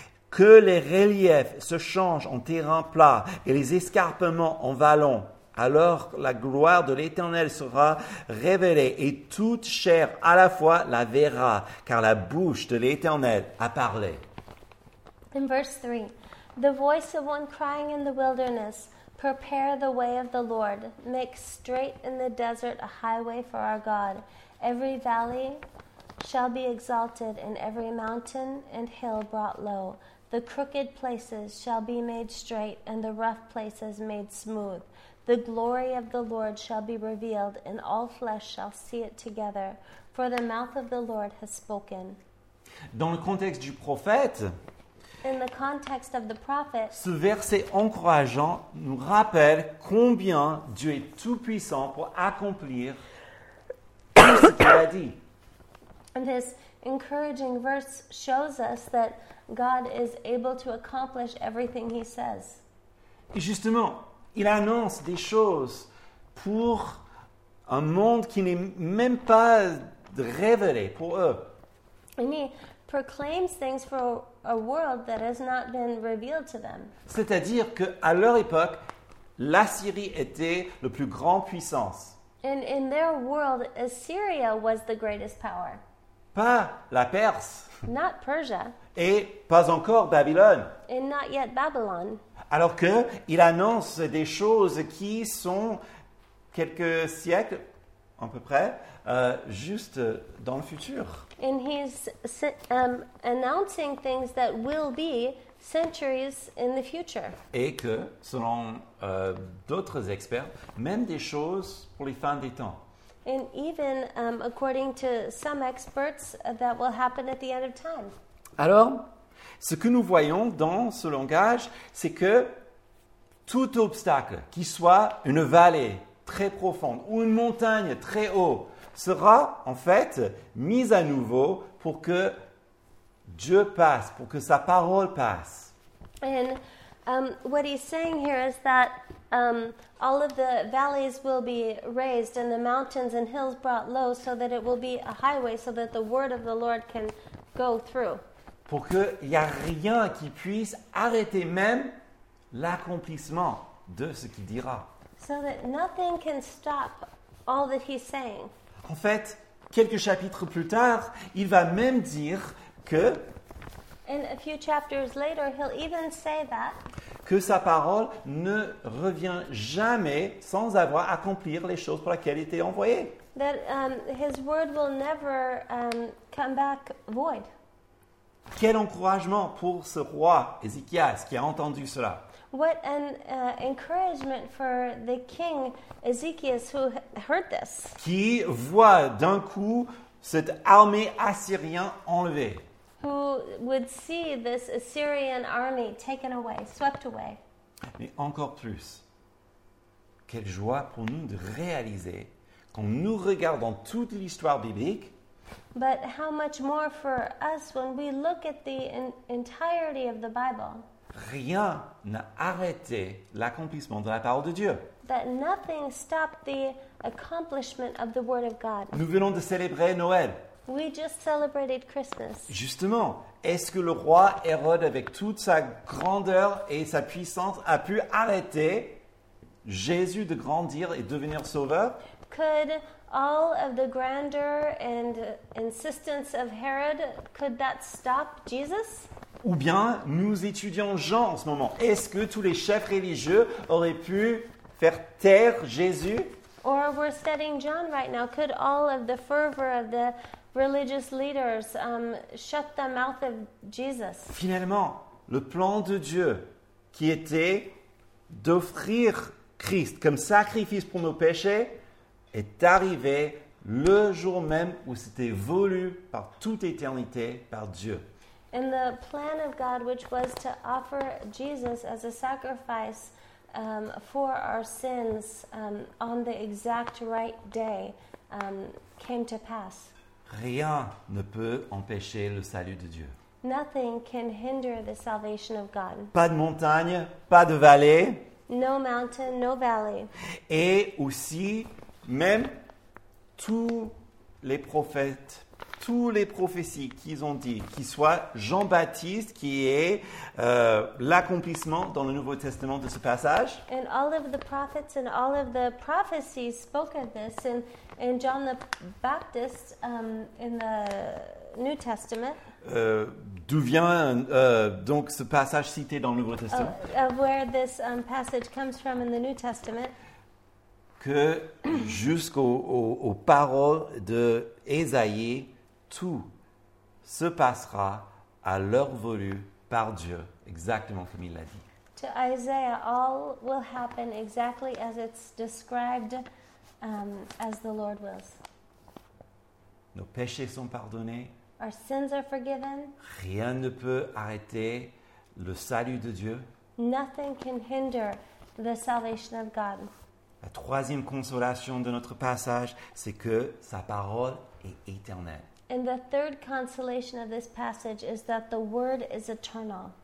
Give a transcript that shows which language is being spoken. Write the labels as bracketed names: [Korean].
[French] Que les reliefs se changent en terrain plat et les escarpements en vallons. Alors la gloire de l'Éternel sera révélée et toute chair à la fois la verra, car la bouche de l'Éternel a parlé. [English] In verse 3, the voice of one crying in the wilderness, prepare the way of the Lord, make straight in the desert a highway for our God. Every valley shall be exalted and every mountain and hill brought low. The crooked places shall be made straight and the rough places made smooth. The glory of the Lord shall be revealed, and all flesh shall see it together, for the mouth of the Lord has spoken. [French] Dans le contexte du prophète, [English] in the context of the prophet, [French] ce verset encourageant nous rappelle combien Dieu est tout-puissant pour accomplir tout ce qu'il a dit. [English] And this encouraging verse shows us that God is able to accomplish everything he says. [French] Et justement, il annonce des choses pour un monde qui n'est même pas révélé pour eux. [English] And he proclaims things for a world that has not been revealed to them. [French] C'est-à-dire qu'à leur époque, L'Assyrie était la plus grande puissance. [English] And in their world, Assyria was the greatest power. [French] Pas la Perse. [English] Not Persia. [French] Et pas encore Babylone. [English] And not yet Babylon. [French] Alors que il annonce des choses qui sont quelques siècles à peu près juste dans le futur. [English] And he's announcing things that will be centuries in the future. [French] Et que selon d'autres experts, même des choses pour les fins des temps. [English] And even according to some experts that will happen at the end of time. [French] Alors, ce que nous voyons dans ce langage, c'est que tout obstacle, qu'il soit une vallée très profonde ou une montagne très haute, sera en fait mis à nouveau pour que Dieu passe, pour que sa parole passe. [English] And what he's saying here is that all of the valleys will be raised and the mountains and hills brought low so that it will be a highway so that the word of the Lord can go through. [French] Pour qu'il n'y ait rien qui puisse arrêter même l'accomplissement de ce qu'il dira. [English] So that nothing can stop all that he's saying. [French] En fait, quelques chapitres plus tard, il va même dire que [English] and a few chapters later, he'll even say that [French] que sa parole ne revient jamais sans avoir accompli les choses pour lesquelles il était envoyé. [English] That his word will never come back void. [French] Quel encouragement pour ce roi Ézéchias qui a entendu cela. [English] What an encouragement for the king Ezekias who heard this. [French] Qui voit d'un coup cette armée assyrienne enlevée. [English] Who would see this Assyrian army taken away, swept away. [French] Mais encore plus, quelle joie pour nous de réaliser qu'en nous regardant toute l'histoire biblique, [English] but how much more for us when we look at the entirety of the Bible. [French] Rien n'a arrêté l'accomplissement de la parole de Dieu. [English] That nothing stopped the accomplishment of the word of God. [French] Nous venons de célébrer Noël. [English] We just celebrated Christmas. [French] Justement, est-ce que le roi Hérode, avec toute sa grandeur et sa puissance, a pu arrêter Jésus de grandir et devenir sauveur? [English] Could all of the grandeur and insistence of Herod, could that stop Jesus? [French] Ou bien, nous étudions Jean en ce moment. Est-ce que tous les chefs religieux auraient pu faire taire Jésus? [English] Or we're studying John right now. Could all of the fervor of the religious leaders shut the mouth of Jesus? [French] Finalement, le plan de Dieu qui était d'offrir Christ comme sacrifice pour nos péchés est arrivé le jour même où c'était voulu par toute éternité par Dieu. [English] And the plan of God, which was to offer Jesus as a sacrifice for our sins on the exact right day, came to pass. [French] Rien ne peut empêcher le salut de Dieu. [English] Nothing can hinder the salvation of God. [French] Pas de montagne, pas de vallée. [English] No mountain, no valley. [French] Et aussi, même tous les prophètes, toutes les prophéties qu'ils ont dit, qu'il soit Jean-Baptiste qui est l'accomplissement dans le Nouveau Testament de ce passage. [English] And all of the prophets and all of the prophecies spoke of this in John the Baptist in the New Testament. [French] D'où vient donc ce passage cité dans le Nouveau Testament? [English] Where this passage comes from in the New Testament. [French] Que jusqu'aux paroles de Ésaïe, tout se passera à leur volu par Dieu, exactement comme il l'a dit. [English] To Isaiah, all will happen exactly as it's described, as the Lord wills. [French] Nos péchés sont pardonnés. [English] Our sins are forgiven. [French] Rien ne peut arrêter le salut de Dieu. [English] Nothing can hinder the salvation of God. [French] La troisième consolation de notre passage, c'est que sa parole est éternelle. [English] And the third consolation of this passage is that the word is eternal.